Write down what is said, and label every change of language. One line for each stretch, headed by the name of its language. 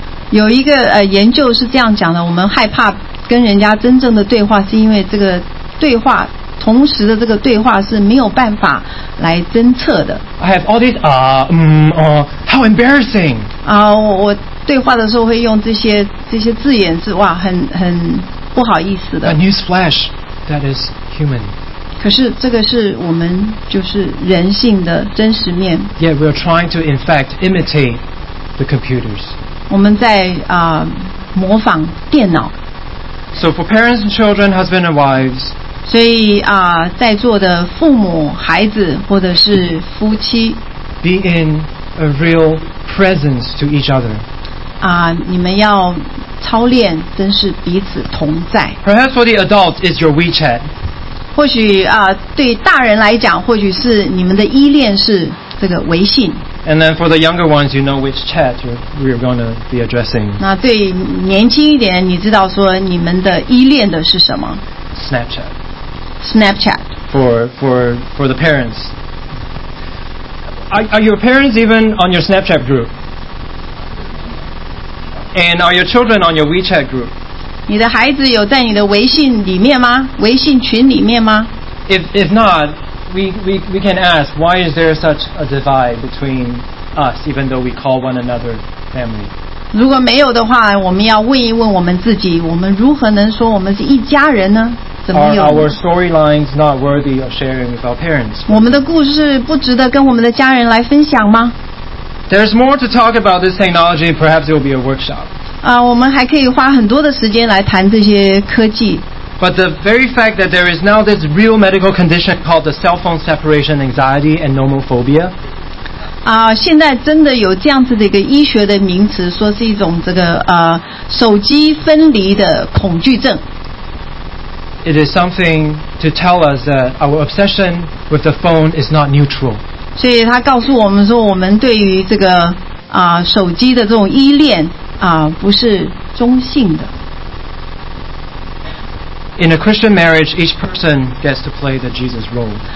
Chinese: 有一个研究是这样讲的，我们害怕跟人家真正的对话，是因为这个对话，同时的这个对话是没有办法来侦测的。
English: I have all these, how embarrassing!
Chinese: 我对话的时候会用这些字眼是，哇，很不好意思的。
English: A news flash. That is human.
Chinese: 可是这个是我们就是人性的真实面。
English: Yet we are trying to, in fact, imitate the computers.
Chinese: 我们在模仿电脑。
English: So for parents and children, husband and wives.
Chinese: 所以在座的父母、孩子或者是夫妻。
English: Be in a real presence to each other.
Chinese: 你们要。操练真是彼此同在。
English: Perhaps for the adult is your WeChat.
Chinese: 或许对大人来讲，或许是你们的依恋是这个微信。
English: And then for the younger ones, you know which chat you're going to be addressing.
Chinese: 那对年轻一点，你知道说你们的依恋的是什么
English: ？Snapchat. Snapchat. For the parents. Are your parents even on your Snapchat group? And are your children on your WeChat group?
Chinese: 你的孩子有在你的微信里面吗？微信群里面吗？
English: If not, we can ask why is there such a divide between us, even though we call one another family?
Chinese: 如果没有的话，我们要问一问我们自己，我们如何能说我们是一家人呢？怎么有
English: Are our storylines not worthy of sharing with our parents?
Chinese: 我们的故事不值得跟我们的家人来分享吗？
English: There's more to talk about this technology. Perhaps it will be a workshop.
Chinese: 我们还可以花很多的时间来谈这些科技。
English: But the very fact that there is now this real medical condition called the cell phone separation anxiety and nomophobia.
Chinese: 现在真的有这样子的一个医学的名词，说是一种这个手机分离的恐惧症。
English: It is something to tell us that our obsession with the phone is not neutral.
Chinese: 所以他告诉我们说，我们对于这个手机的这种依恋不是中性的。
English: In a Christian marriage, each person gets to play the Jesus role.